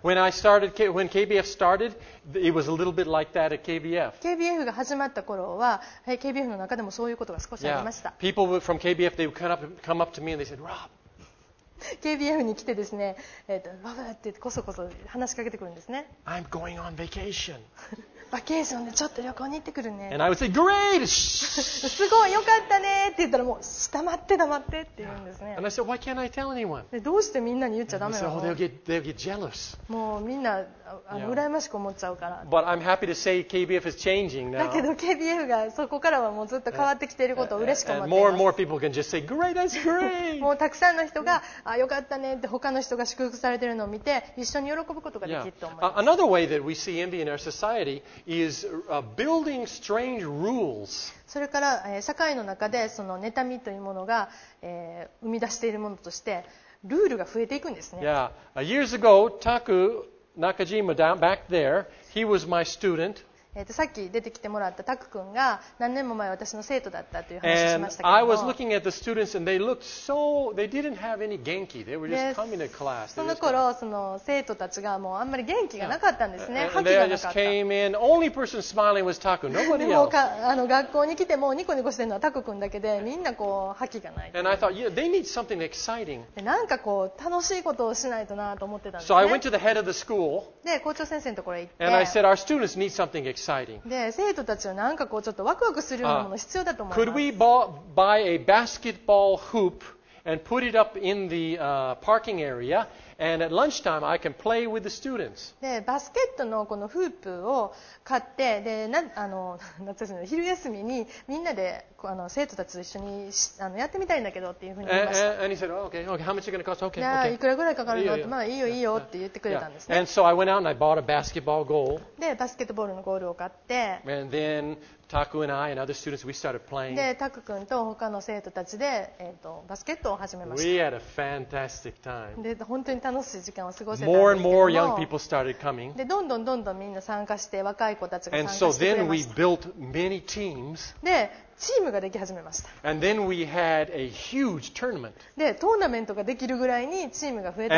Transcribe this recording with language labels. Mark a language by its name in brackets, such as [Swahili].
[English] Yeah. When I started, when KBF started, it was a little bit like that at KBF. [Japanese] KBF が始まった頃は、KBF の中でもそういうことが少しありました。 [English] Yeah. People from KBF, they would come up to me and they said, Rob. [Japanese] KBF に来てですね、バブってこそこそ話しかけてくるんですね。 [English] I'm going on vacation. [Japanese] バケーションでちょっと旅行に行ってくるね。 [English] And I would say, Great! [Japanese] すごいよかったねって言ったら、もう黙ってって言うんですね。 [English] And I said, Why can't I tell anyone? [Japanese] で、どうしてみんなに言っちゃダメなの? [English] And they said, they'll get jealous. [Japanese] もうみんな羨ましく思っちゃうから。 [English] But I'm happy to say KBF is changing now. [Japanese] だけど KBF がそこからはもうずっと変わってきていることを嬉しく思っています。 [English] And more and more people can just say, Great, that's great! [Japanese] もうたくさんの人が、あ、よかったねって他の人が祝福されているのを見て、一緒に喜ぶことができると思います。 [English] Another way that we see envy in our society is building strange rules. [Japanese] それから社会の中でその妬みというものが生み出しているものとしてルールが増えていくんですね。 [English] Yeah. Years ago, Taku Nakajima down back there, he was my student. [Japanese] さっき出てきてもらったタク君が何年も前私の生徒だったという話をしましたけども、 [English] I was looking at the students and they looked so they didn't have any genki. They were just coming to class. [Japanese] その頃その生徒たちがもうあんまり元気がなかったんですね。 [English] And they just came in. Only person smiling was Taku. Nobody else. [Japanese] 学校に来てもニコニコしてるのはタク君だけで、みんなこう覇気がない。 [English] And I thought, yeah, they need something exciting. [Japanese] なんかこう楽しいことをしないとなと思ってたんですね。 [English] So I went to the head of the school. [Japanese] で校長先生のところに行って、 [English] And I said, our students need something exciting. [Japanese] で生徒たちはなんかこうちょっとワクワクするようなもの必要だと思います。 [English] Could we buy a basketball hoop and put it up in the parking area? And at lunchtime, I can play with the students. [Japanese] でバスケットのこのフープを買って、でなあの夏休みの昼休みにみんなで生徒たちと一緒にやってみたいんだけどっていうふうに言いました。 [English] And he said, okay, okay, how much is it going to cost? Okay, okay. [Japanese] いくらぐらいかかるの？まあいいよいいよって言ってくれたんですね。 [English] And so I went out and I bought a basketball goal. [Japanese] でバスケットボールのゴールを買って。 [English] And then Taku and I and other students we started playing. [Japanese] でタク君と他の生徒たちでバスケットを始めました。 [English] We had a fantastic time. [Japanese] で本当に楽しい時間を過ごせたんですけども、 [English] more and more young people started coming. [Japanese] でどんどんどんどんみんな参加して若い子たちが参加してくれました [English] And so then we built many teams. [Japanese] でチームができ始めました。 [English] And then we had a huge tournament. [Japanese] でトーナメントができるぐらいにチームが増えた